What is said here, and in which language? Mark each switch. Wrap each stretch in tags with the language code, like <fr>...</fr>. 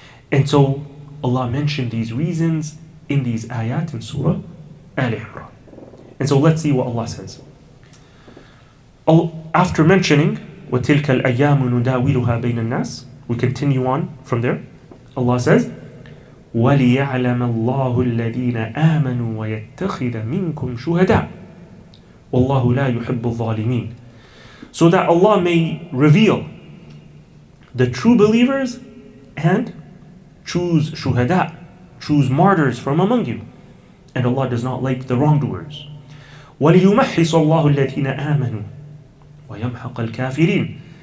<en>And so Allah mentioned these reasons in these ayat in Surah Al-Imran. And so let's see what Allah says. After mentioning</en> <ar>وَتِلْكَ الْأَيَّامُ نُدَاوِلُهَا بَيْنَ النَّاسِ,</ar> <en>we continue on from there. Allah says,</en> <ar>وَلِيَعْلَمَ اللَّهُ الَّذِينَ آمَنُوا وَيَتَّخِذَ مِنْكُمْ شُهَدَاءَ وَاللَّهُ لَا يُحِبُّ الظَّالِمِينَ.</ar> <en>So that Allah may reveal the true believers and choose shuhada, choose martyrs from among you. And Allah does not like the wrongdoers.</en> <ar>وَلِيُمَحِّصَ اللَّهُ الَّذِينَ آمَنُوا وَيَمْحَقَ الْكَافِرِينَ.</ar>